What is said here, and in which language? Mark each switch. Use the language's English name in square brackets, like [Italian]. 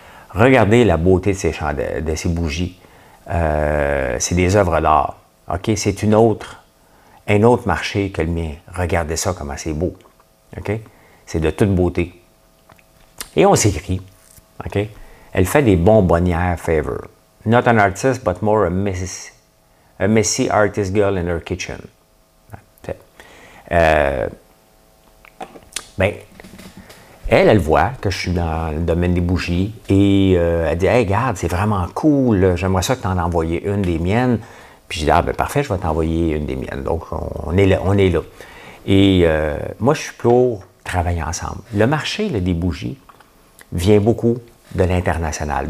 [French] Regardez la beauté de ces chandelles, de ces bougies. C'est des œuvres d'art. OK? C'est une autre, un autre marché que le mien. Regardez ça, comment c'est beau. OK? C'est de toute beauté. Et on s'écrit. OK? Elle fait des bonbonnières favor. [English] Not an artist, but more a messy artist girl in her kitchen. [French] Elle, elle voit que je suis dans le domaine des bougies et elle dit, hey, regarde, c'est vraiment cool, j'aimerais ça que tu en envoies une des miennes. Puis j'ai dit, ah, ben parfait, je vais t'envoyer une des miennes. Donc, on est là. On est là. Et moi, je suis pour travailler ensemble. Le marché là, des bougies vient beaucoup de l'international.